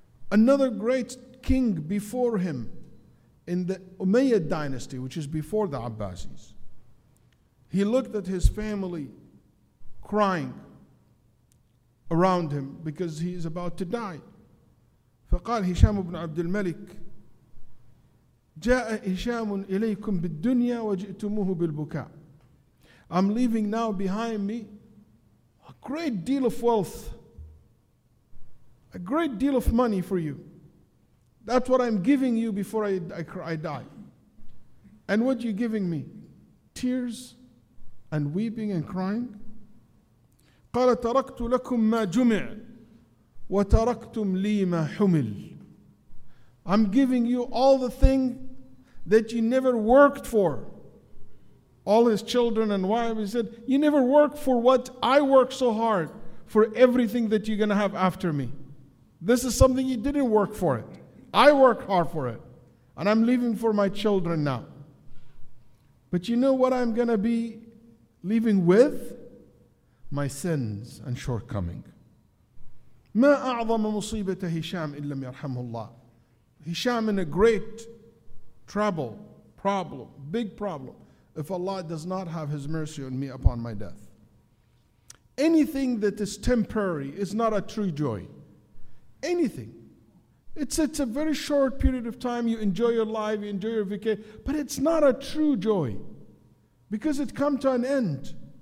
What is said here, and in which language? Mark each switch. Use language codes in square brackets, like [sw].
[en] Another great king before him in the Umayyad dynasty, which is before the Abbasids, he looked at his family crying around him because he is about to die. [ar] فقال هشام بن عبد الملك جاء هشام إليكم بالدنيا وجئتموه بالبكاء. [en] I'm leaving now behind me a great deal of wealth, a great deal of money for you. That's what I'm giving you before I die. And what are you giving me? Tears and weeping and crying. [ar] قال تركت لكم ما جمع وتركتم لي ما حمل. [en] I'm giving you all the thing that you never worked for. All his children and wife, he said, you never worked for what I worked so hard for, everything that you're going to have after me. This is something you didn't work for it. I worked hard for it. And I'm leaving for my children now. But you know what I'm going to be leaving with? My sins and shortcoming. [ar] ما أعظم مصيبة هشام إن لم يرحمه الله. [en] Hisham in a great trouble, problem, big problem, if Allah does not have his mercy on me upon my death. Anything that is temporary is not a true joy. Anything. It's a very short period of time, you enjoy your life, you enjoy your vacation, but it's not a true joy because it comes to an end.